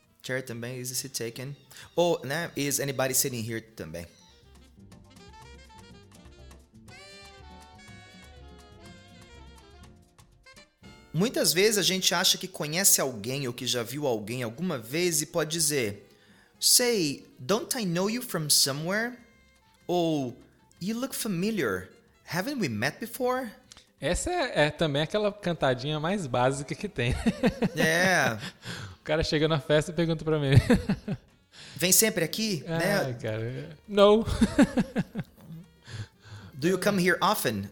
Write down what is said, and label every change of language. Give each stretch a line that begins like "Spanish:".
English: Chair também, is the seat taken? Ou, né, is anybody sitting here também?
Portuguese: Muitas vezes a gente acha que conhece alguém ou que já viu alguém alguma vez e pode dizer
English: Say, don't I know you from somewhere? Ou, you look familiar. Haven't we met before?
Portuguese: Essa é também aquela cantadinha mais básica que tem. É. O cara chega na festa e pergunta pra mim. Vem sempre aqui? Ah, né? Cara. No.
English: Do you come here often?